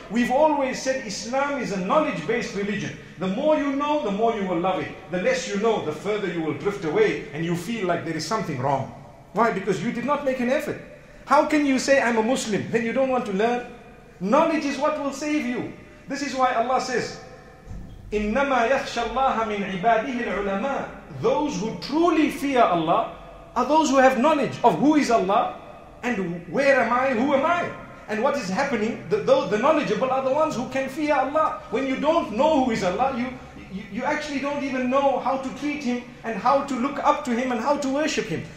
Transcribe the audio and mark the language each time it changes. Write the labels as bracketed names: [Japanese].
[English] We've always said Islam is a knowledge-based religion. The more you know, the more you will love it. The less you know, the further you will drift away and you feel like there is something wrong. Why? Because you did not make an effort. How can you say, I'm a Muslim, then you don't want to learn? Knowledge is what will save you. This is why Allah says, [Arabic] إِنَّمَا يَخْشَ اللَّهَ مِنْ عِبَادِهِ الْعُلَمَاءِ. [English] Those who truly fear Allah are those who have knowledge of who is Allah and where am I, who am I? And what is happening, the knowledgeable are the ones who can fear Allah. When you don't know who is Allah, you actually don't even know how to treat Him and how to look up to Him and how to worship Him.